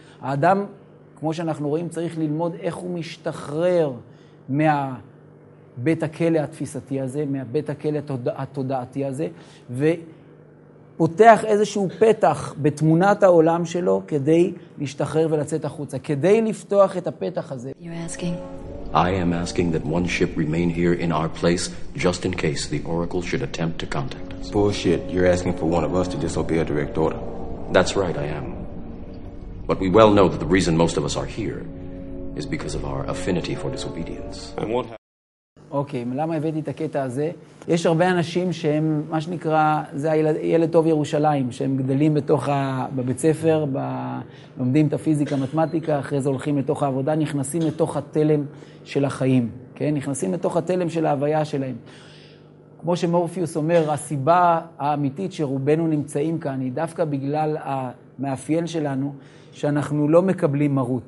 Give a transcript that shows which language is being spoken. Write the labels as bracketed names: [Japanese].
[Hebrew] האדם, כמו שאנחנו רואים, צריך ללמוד איך הוא משתחרר מהבית הכלא התפיסתי הזה, מהבית הכלא התודעתי הזה, ופותח איזשהו פתח בתמונת העולם שלו כדי להשתחרר ולצאת החוצה, כדי לפתוח את הפתח הזה. [English] You're asking? I am asking that one ship remain here in our place just in case the Oracle should attempt to contact us. Bullshit. You're asking for one of us to disobey a direct order. That's right, I am. But we well know that the reason most of us are here is because of our affinity for disobedience. [Hebrew] אוקיי, למה הבאתי את הקטע הזה? יש הרבה אנשים שהם, מה שנקרא, זה הילד טוב ירושלים, שהם גדלים בתוך בבית ספר, לומדים את הפיזיקה, מתמטיקה, אחרי זה הולכים לתוך העבודה, נכנסים לתוך התלם של החיים, כן? נכנסים לתוך התלם של ההוויה שלהם. כמו שמורפיוס אומר, הסיבה האמיתית שרובנו נמצאים כאן היא דווקא בגלל המאפיין שלנו, שאנחנו לא מקבלים מרוץ.